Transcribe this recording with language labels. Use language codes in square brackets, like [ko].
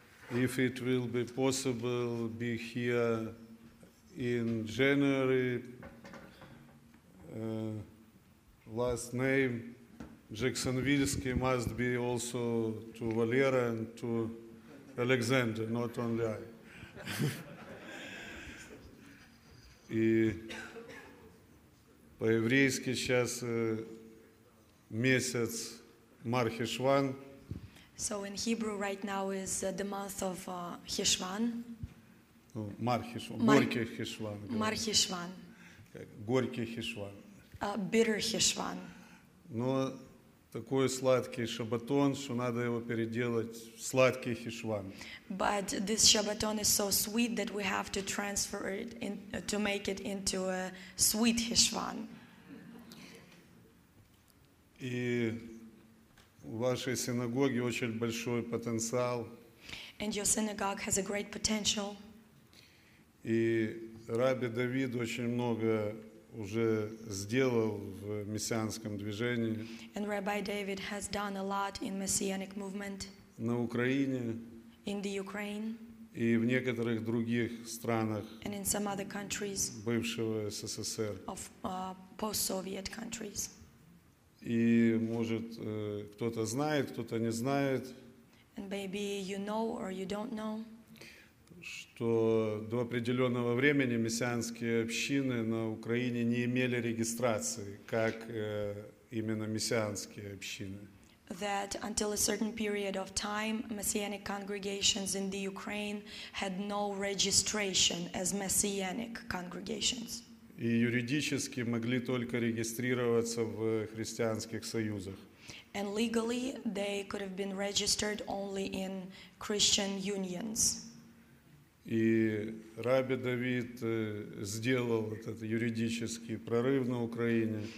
[en] If it will be possible, be here in January. Last name, Jacksonvilsky, must be also to Valera and to Alexander, not only I. [ru] И по-еврейски сейчас месяц Мар-Хешван. [en] So in Hebrew right now is the month of Хешван. [ru] Мар-Хешван, горький Хешван. Мар-Хешван. Горький Хешван. [en] Bitter Хешван. [ru] Но такой сладкий шабатон, что надо его переделать, сладкий Хешван. [en] But this Shabbaton is so sweet that we have to transfer it in, to make it into a sweet Хешван. [ru] И в вашей синагоге очень большой потенциал. [en] And your synagogue has a great potential. [ru] И Рабби Давид очень много уже сделал в мессианском движении. [en] And Rabbi David has done a lot in messianic movement. [ru] На Украине. [en] In the Ukraine. [ru] И в некоторых других странах. [en] And in some other countries. [ru] Бывшего СССР. [en] Of post-Soviet countries. [ru] И может кто-то знает, кто-то не знает. [en] And maybe you know or you don't know. [ru] Что до определенного времени мессианские общины на Украине не имели регистрации, как именно мессианские общины. [en] That until a certain period of time, messianic congregations in the Ukraine had no registration as messianic congregations. [ru] И юридически могли только регистрироваться в христианских союзах. [en] And legally, they could have been registered only in Christian unions. [ru] И Рабби Давид сделал этот юридический прорыв на Украине.